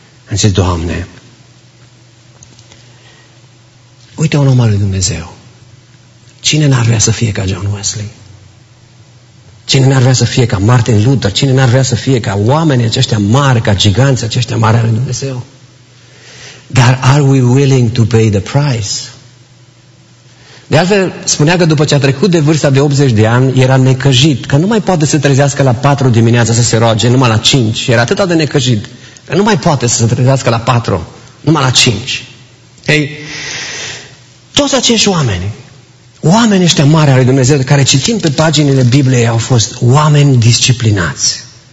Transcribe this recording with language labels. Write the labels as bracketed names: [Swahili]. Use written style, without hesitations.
[Romanian] Am zis, Doamne, uite un om al lui Dumnezeu. Cine n-ar vrea să fie ca John Wesley? Cine n-ar vrea să fie ca Martin Luther? Cine n-ar vrea să fie ca oamenii aceștia mari, ca giganți aceștia mari al lui Dumnezeu? Dar [English] are we willing to pay the price? [Romanian] De altfel, spunea că după ce a trecut de vârsta de 80 de ani, era necăjit, că nu mai poate să se trezească la 4 dimineața să se roage, numai la 5. Era atât de necăjit, că nu mai poate să se trezească la 4, numai la 5. Ei, toți acești oameni, oamenii ăștia mari al lui Dumnezeu, care citim pe paginile Bibliei, au fost oameni disciplinați.